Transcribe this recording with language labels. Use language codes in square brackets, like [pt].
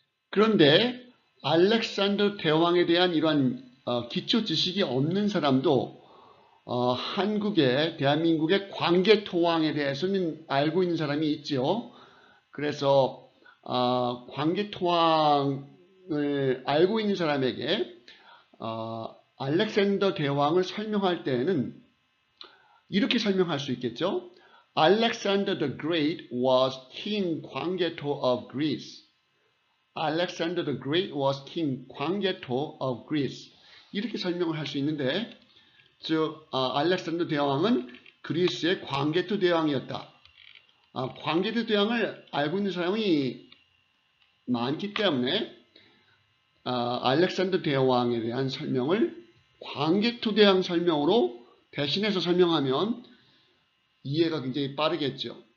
[ko] 그런데 알렉산더 대왕에 대한 이러한 기초 지식이 없는 사람도 한국의 대한민국의 광개토왕에 대해서는 알고 있는 사람이 있죠. 그래서 광개토왕을 알고 있는 사람에게 알렉산더 대왕을 설명할 때에는 이렇게 설명할 수 있겠죠. [en] Alexander the Great was King 광개토 of Greece. Alexander the Great was King 광개토 of Greece. [ko] 이렇게 설명을 할 수 있는데, 즉 알렉산더 대왕은 그리스의 광개토 대왕이었다. 광개토 대왕을 알고 있는 사람이 많기 때문에 알렉산더 대왕에 대한 설명을 광개토 대왕 설명으로 대신해서 설명하면 이해가 굉장히 빠르겠죠.